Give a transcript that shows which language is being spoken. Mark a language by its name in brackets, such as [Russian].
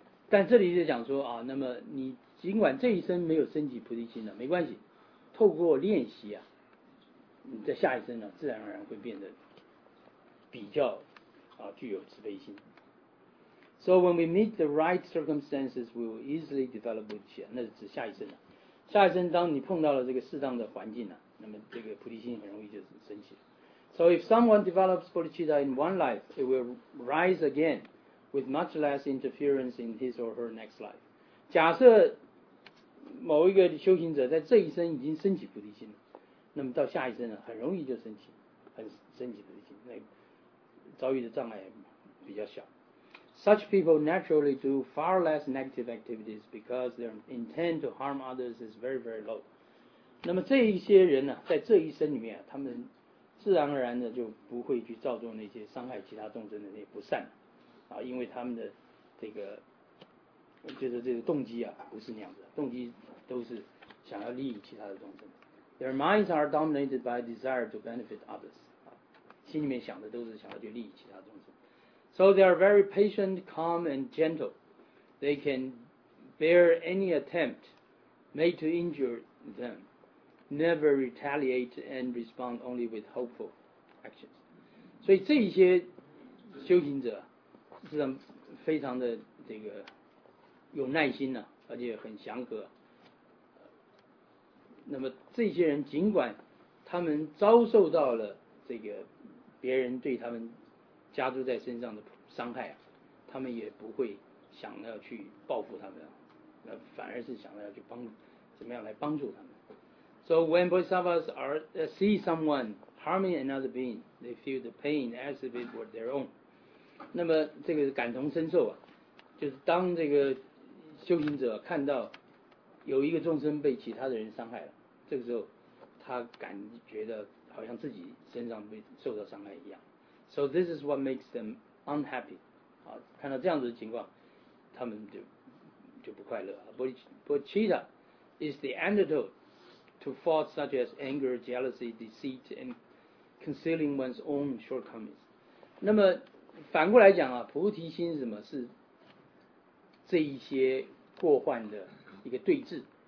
[Chinese] 但这里就讲说啊，那么你尽管这一生没有升起菩提心了，没关系，透过练习啊，你在下一生呢、啊，自然而然会变得比较啊具有慈悲心。 [English] So when we meet the right circumstances, we will easily develop bodhicitta. [Chinese] 那是指下一生了、啊。下一生当你碰到了这个适当的环境了、啊，那么这个菩提心很容易就升起了。 [English] So if someone develops bodhicitta in one life, it will rise again. With much less interference in his or her next life. [Chinese] 假设某一个修行者在这一生已经升起菩提心了，那么到下一生呢，很容易就升起菩提心，那遭遇的障碍比较小。 [English] Such people naturally do far less negative activities because their intent to harm others is very, very low. [Chinese] 那么这一些人呢，在这一生里面、啊，他们自然而然的就不会去造作那些伤害其他众生的那些不善。啊，因为他们的这个就是这个动机啊，不是那样子，动机都是想要利益其他的众生。 [English] Their minds are dominated by desire to benefit others. [Chinese] 啊，心里面想的都是想要去利益其他众生。 [English] So they are very patient, calm, and gentle. They can bear any attempt made to injure them. Never retaliate and respond only with hopeful actions. [Chinese] 所以这一些修行者。是非常的这个有耐心呢、啊，而且很祥和。那么这些人尽管他们遭受到了这个别人对他们加诸在身上的伤害，他们也不会想要去报复他们，那反而是想要去帮，怎么样来帮助他们。 [English] So when Bodhisattvas are, see someone harming another being, they feel the pain as if it were their own. [Chinese] 那么这个感同身受啊，就是当这个修行者看到有一个众生被其他的人伤害了，这个时候他感觉的好像自己身上被受到伤害一样。 [English] So this is what makes them unhappy. [Chinese] 啊，看到这样子的情况，他们就不快乐。 [English] Bodhicitta is the antidote to faults such as anger, jealousy, deceit, and concealing one's own shortcomings. [Chinese] 那么反过来讲啊，菩提心是什么？是这一些过患的一个对峙。